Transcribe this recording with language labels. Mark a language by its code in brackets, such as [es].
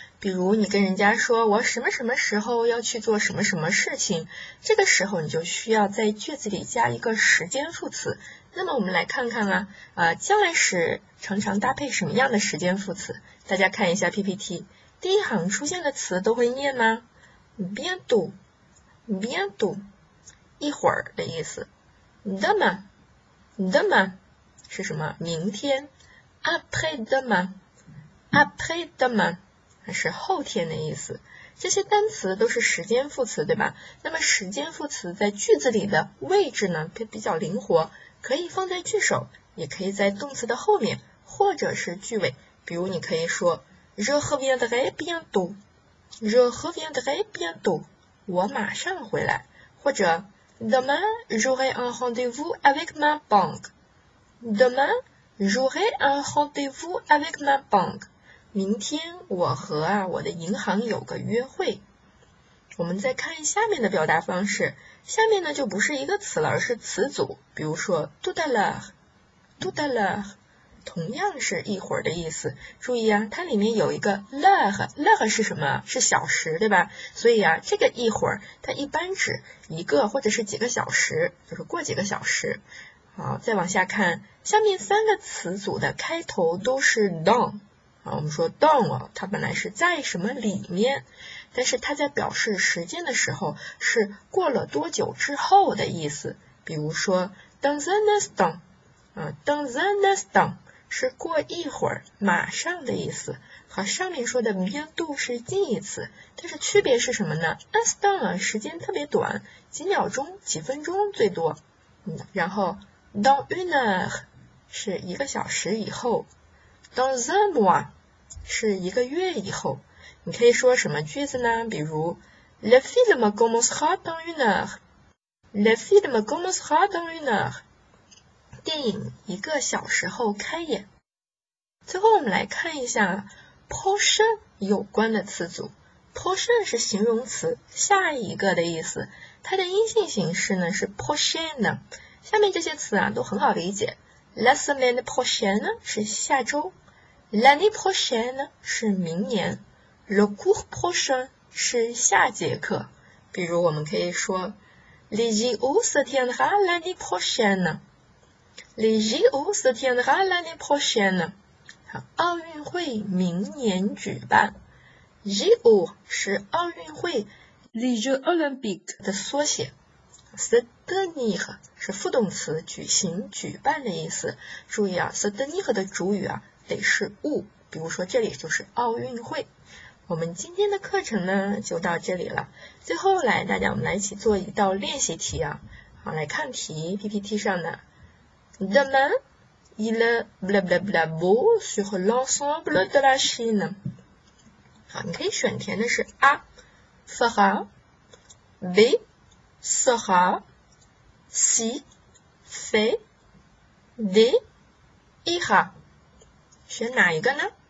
[zh] 比如你跟人家说我什么什么时候要去做什么什么事情，这个时候你就需要在句子里加一个时间副词。那么我们来看看啊，将来时常常搭配什么样的时间副词？大家看一下 PPT， 第一行出现的词都会念吗 ？bientôt， bientôt， 一会儿的意思。 demain， demain 是什么？明天。 après demain， après demain 是后天的意思。这些单词都是时间副词，对吧？那么时间副词在句子里的位置呢，比较灵活，可以放在句首，也可以在动词的后面，或者是句尾。比如你可以说 [fr] Je reviendrai bientôt， Je reviendrai bientôt， [zh] 我马上回来。 [fr] 或者 Demain j'aurai un rendez-vous avec ma banque， Demain j'aurai un rendez-vous avec ma banque， [zh] 明天我和我的银行有个约会。我们再看下面的表达方式，下面呢就不是一个词了，而是词组。比如说 tout à l'heure， tout à l'heure，同样是一会儿的意思。注意啊，它里面有一个 l'heure 是什么？是小时，对吧？所以啊，这个一会儿它一般指一个或者是几个小时，就是过几个小时。好，再往下看，下面三个词组的开头都是 dans。好，我们说 dans 啊，它本来是在什么里面，但是它在表示时间的时候是过了多久之后的意思。比如说 dans un instant，dans un instant 是过一会儿马上的意思，和上面说的 bientôt 是近义词，但是区别是什么呢？ instant 时间特别短，几秒钟几分钟最多，然后 dans une heure 是一个小时以后， dans un mois 是一个月以后。你可以说什么句子呢？ [fr] 比如 le film commencera dans une heure， le film commencera dans une heure， [zh] 电影一个小时后开演。最后我们来看一下 prochain 有关的词组。 prochain 是形容词，下一个的意思，它的阴性形式呢是 prochaine。下面这些词啊都很好理解， la semaine prochaine 是下周， l'année prochaine 是明年， le cours prochain 是下节课。比如我们可以说 [fr] les JO se tiendra l'année prochaine，Les JO se tiendra l'année prochaine。 [zh] 奥运会明年举办， JO 是奥运会， [fr] Les Jeux Olympiques [zh] 的缩写， se tenir 是副动词，举行举办的意思。注意啊， se tenir 的主语啊得是物，比如说这里就是奥运会。我们今天的课程呢就到这里了，最后来大家我们来一起做一道练习题啊。好，来看题 PPT 上的。Demain, [fr] il est blablabla beau sur l'ensemble de la Chine. Alors, on peut choisir de dire A, fera, B, sera, C, fait, D, ira. Choisir lequel?